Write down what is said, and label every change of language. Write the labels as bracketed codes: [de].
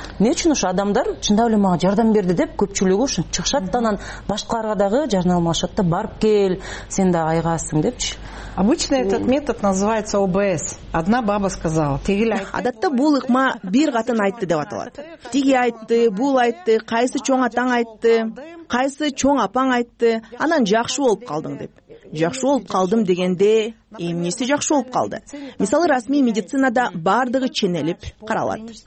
[ky] Эмне үчүн ушу адамдар чындап эле мага жардам берди деп көпчүлүгү ушу чыгышат да, анан башкаларга дагы жарнама алышат да, барып кел, сен дагы айыгасың депчи. [ru] Обычно этот метод называется ОБС. Одна баба сказала, [ky] тиги эле айтты. Адатта бул ыкма бир катын айтты деп аталат. Тиги айтты, бул айтты, кайсы чоң атаң айтты, кайсы чоң апаң айтты, анан жакшы болуп калдың деп. Жакшы болуп калдым дегенде эмнеси жакшы болуп калды? Мисалы, расмий медицинада бардыгы ченелип каралат.